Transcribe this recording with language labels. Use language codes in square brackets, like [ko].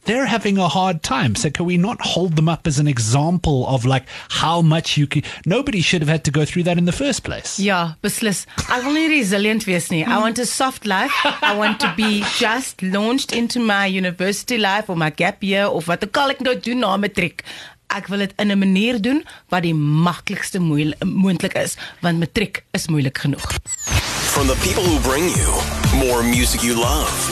[en] They're having a hard time. So can we not hold them up as an example of like how much you can... Nobody should have had to go through that in the first place. [af] Yeah, beslis. [en] I want to be resilient, Wesley. I want a soft life. I want to be just launched into my university life or my gap year or what the call I can go do [af] na matriek. Ek wil dit in 'n manier doen wat die maklikste moontlik is, want matriek is moeilik genoeg. [en] From the people who bring you more music you love.